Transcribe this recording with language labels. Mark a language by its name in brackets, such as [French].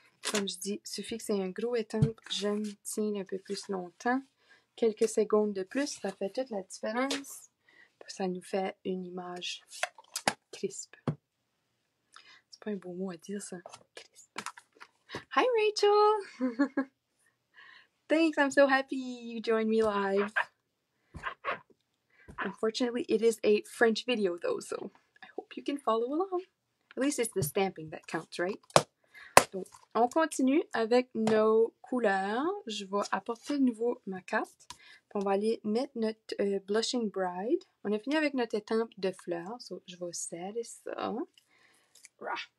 [French] Comme je dis, suffit que c'est un gros étang, je me tiens un peu plus longtemps. Quelques secondes de plus, ça fait toute la différence. Ça nous fait une image crisp. C'est pas un beau mot à dire ça. [English] Hi, Rachel! Thanks, I'm so happy you joined me live. Unfortunately, it is a French video, though, so I hope you can follow along. At least it's the stamping that counts, right? [French] Donc, on continue avec nos couleurs. Je vais apporter de nouveau ma carte. Puis on va aller mettre notre Blushing Bride. On a fini avec notre étampe de fleurs, so je vais serrer ça. Rah.